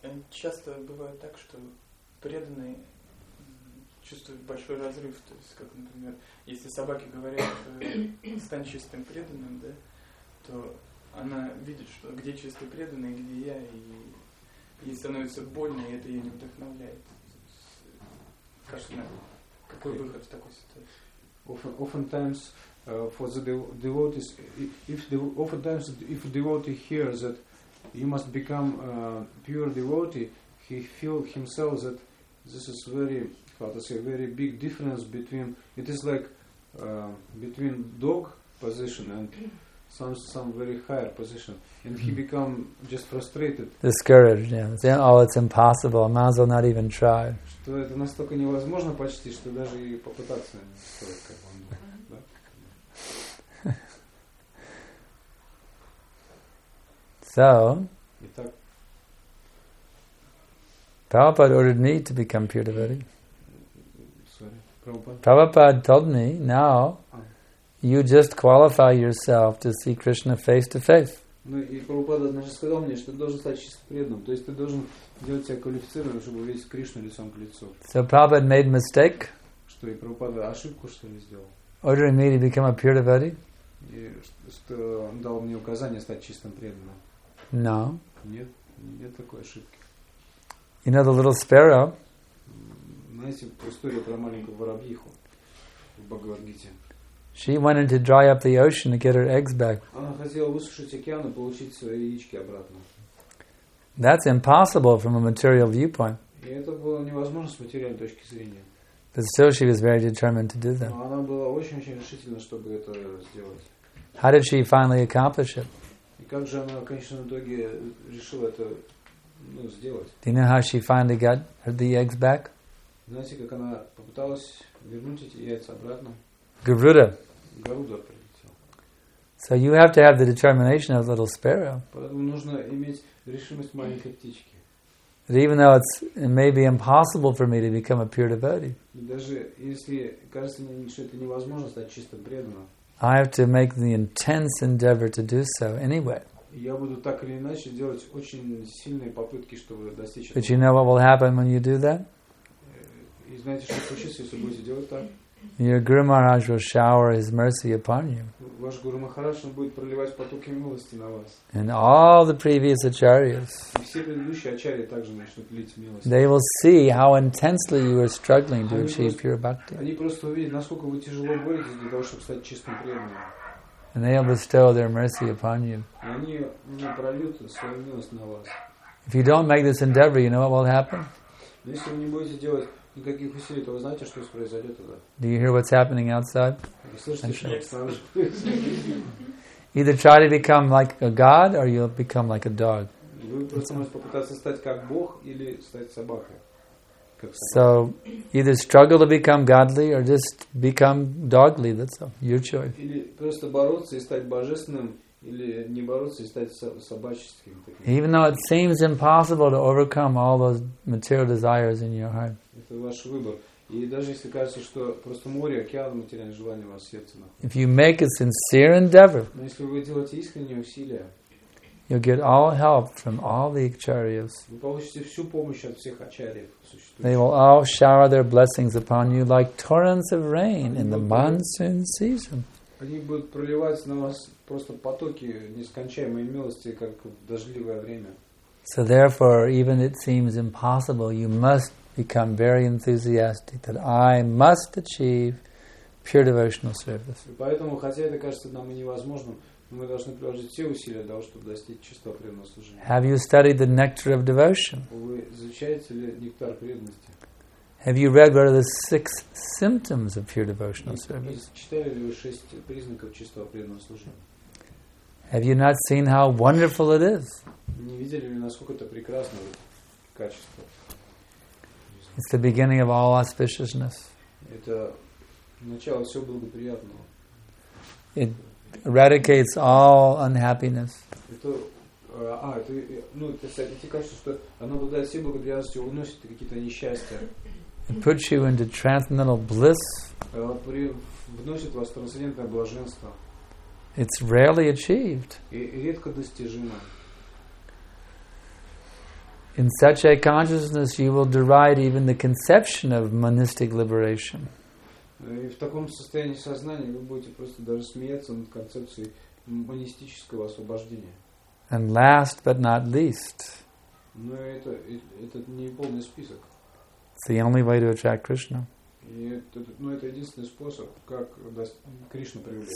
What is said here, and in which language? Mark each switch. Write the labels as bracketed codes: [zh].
[ru] Часто бывает так, что преданные чувствуют большой разрыв, то есть, как, например, если собаки говорят, стань чистым преданным, да? То она видит, что где чистый преданный, где я, и становится больно, и это ее не вдохновляет. Кажется, какой выход в такой ситуации? [en] Oftentimes for the devotees, if a devotee hears that you must become a pure devotee, he feels himself that this is very, how to say, very big difference between, it is like between dog position and some very higher position, and he become just frustrated. Discouraged, yeah. Saying, oh, it's impossible. I might as well not even try. [ru] Что это настолько невозможно почти, что даже и попытаться не стоит, как он. [en] So. Prabhupada ordered me to become pure devotee. Prabhupada told me now. You just qualify yourself to see Krishna face to face. [ru] Ну и Прабхупада даже сказал мне, что ты должен стать чистым преданным, то есть ты должен делать себя квалифицированным, чтобы увидеть Кришну лицом к лицу. [en] So Prabhupada made mistake. [ru] Что и Прабхупада ошибку что ли сделал? [en] Ordering me to become a pure devotee. [ru] И что он дал мне указание стать чистым преданным. [en] No. [ru] Нет, нет такой ошибки. [en] You know the little sparrow? [ru] Знаете, история про маленькую воробьиху в Бхагавад-гите. [en] She went in to dry up the ocean to get her eggs back. [ru] Она хотела высушить океан и получить свои яички обратно. [en] That's impossible from a material viewpoint. [ru] И это было невозможно с материальной точки зрения. [en] But still she was very determined to do that. [ru] Но она была очень-очень решительна, чтобы это сделать. [en] How did she finally accomplish it? [ru] И как же она в конечном итоге решила это, ну, сделать? [en] Do you know how she finally got the eggs back? [ru] Знаете, как она попыталась вернуть эти яйца обратно? [en] Garuda. [ru] Garuda прилетел. [en] So you have to have the determination of a little sparrow. [ru] Поэтому нужно иметь решимость маленькой птички. [en] That even though it may be impossible for me to become a pure devotee, [ru] даже если кажется мне, что это невозможно стать чисто преданным, [en] I have to make the intense endeavor to do so anyway. [ru] Я буду так или иначе делать очень сильные попытки, чтобы достичь этого. [en] But you know what will happen when you do that? [ru] И знаете, что случится, если будете делать так? [en] Your Guru Maharaj will shower his mercy upon you. [ru] Ваш Гуру Махарадж будет проливать потоки милости на вас. [en] And all the previous acharyas. [ru] И все предыдущие ачарьи также начнут лить милость. [en] They will see how intensely you are struggling to achieve pure bhakti. [ru] Они просто увидят, насколько вы тяжело боретесь для того, чтобы стать чистым преданным. [en] And they will bestow their mercy upon you. [ru] И они прольют свою милость на вас. [en] If you don't make this endeavor, you know what will happen? [ru] Если вы не будете делать никаких усилий, то вы знаете, что произойдет тогда? [en] Do you hear what's happening outside? Sure. Either try to become like a god or you'll become like a dog. [ru] Вы просто можете попытаться стать как бог или стать собакой. [en] So, either struggle to become godly or just become dogly. That's all. Your choice. [ru] Или просто бороться и стать божественным, или не бороться и стать собаческим. [en] Even though it seems impossible to overcome all those material desires in your heart. [ru] Это ваш выбор. И даже если кажется, что просто море, океан материальных желаний в вашем сердце. [en] If you make a sincere endeavor, [ru] но если вы делаете искренние усилия, [en] you'll get all help from all the acharyas. [ru] Вы получите всю помощь от всех ачарьев. [en] They will all shower their blessings upon you like torrents of rain in the monsoon season. [ru] Они будут проливать на вас просто потоки нескончаемой милости, как в дождливое время. [en] So therefore, even it seems impossible, you must become very enthusiastic that I must achieve pure devotional service. [ru] Поэтому, хотя это кажется нам и невозможным, мы должны приложить все усилия для того, чтобы достичь чистого преданного служения. [en] Have you studied the nectar of devotion? [ru] Вы изучаете ли нектар преданности? [en] Have you read what are the six symptoms of pure devotional service? [ru] Читали ли вы шесть признаков чистого преданного служения? [en] Have you not seen how wonderful it is? [ru] Не видели ли, насколько это прекрасное качество? [en] It's the beginning of all auspiciousness. [ru] Это начало всего благоприятного. [en] It eradicates all unhappiness. [ru] Это кажется, что оно обладает всей благоприятностью, уносит какие-то несчастья. [en] It puts you into transcendental bliss. [ru] Вносит вас в трансцендентное блаженство. [en] It's rarely achieved. [ru] И редко достижимо. [en] In such a consciousness, you will deride even the conception of monistic liberation. [ru] И в таком состоянии сознания вы будете просто даже смеяться над концепцией монистического освобождения. [en] And last but not least. [ru] Но это не полный список. [en] It's the only way to attract Krishna. [ru] И это единственный способ, как Кришну привлечь.